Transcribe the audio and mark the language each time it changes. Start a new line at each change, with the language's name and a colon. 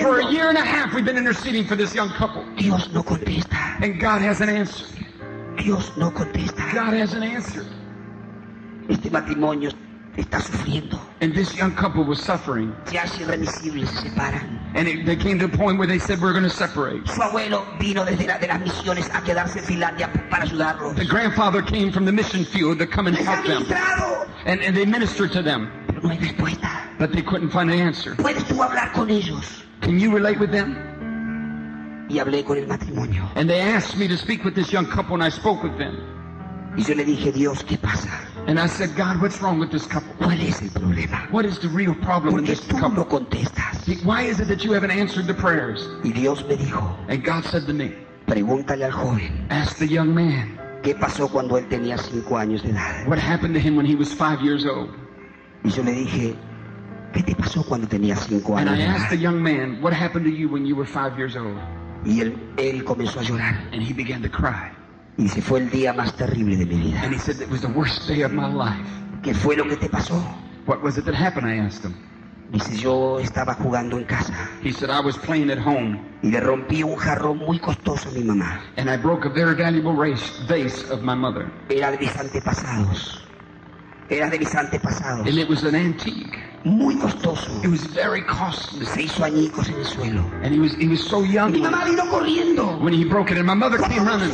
English: For a year and a half we've been interceding for this young couple.
Spanish: Dios no contesta.
English: And God has an answer.
Spanish: Dios no contesta.
English: God has an answer.
Spanish: Este matrimonio está sufriendo.
English: And this young couple was suffering.
Spanish: Ya es irremisible, se separa.
English: And it, they came to a point where they said, we're going to separate.
Spanish: Su abuelo vino desde la, de las misiones a quedarse en Finlandia para ayudarlos.
English: The grandfather came from the mission field to come and help them. And they ministered to them.
Spanish: Pero no hay respuesta.
English: But they couldn't find an answer.
Spanish: ¿Puedes tú hablar con ellos?
English: Can you relate with them?
Spanish: Y hablé con el matrimonio.
English: And they asked me to speak with this young couple, and I spoke with them.
Spanish: Y yo le dije, Dios, ¿qué pasa?
English: And I said, God, what's wrong with this couple?
Spanish: ¿Cuál es el problema?
English: What is the real problem
Spanish: Porque
English: in this couple?
Spanish: No contestas.
English: Why is it that you haven't answered the prayers?
Spanish: Y Dios me dijo,
English: and God said to me,
Spanish: pregúntale al joven,
English: ask the young man,
Spanish: ¿qué pasó cuando él tenía cinco años de edad?
English: What happened to him when he was 5 years old?
Spanish: Y yo le dije, ¿qué te pasó cuando tenías cinco años de edad?
English: And I asked the young man, what happened to you when you were 5 years old?
Spanish: Y él comenzó a llorar.
English: And he began to cry.
Spanish: Y se fue el día más terrible de mi vida.
English: And he said it was the worst day of my life.
Spanish: ¿Qué fue lo que te pasó?
English: What was it that happened? I asked him.
Spanish: Dice, yo estaba jugando en casa.
English: He said I was playing at home.
Spanish: Y le rompí un jarrón muy costoso a mi mamá.
English: And I broke a very valuable vase of my mother.
Spanish: Era de mis antepasados. Era de mis antepasados.
English: And it was an antique.
Spanish: Muy costoso.
English: It was very costly.
Spanish: Se hizo añicos en el suelo.
English: And he was so young.
Spanish: Mi mamá vino corriendo.
English: When he broke it, and my mother came running.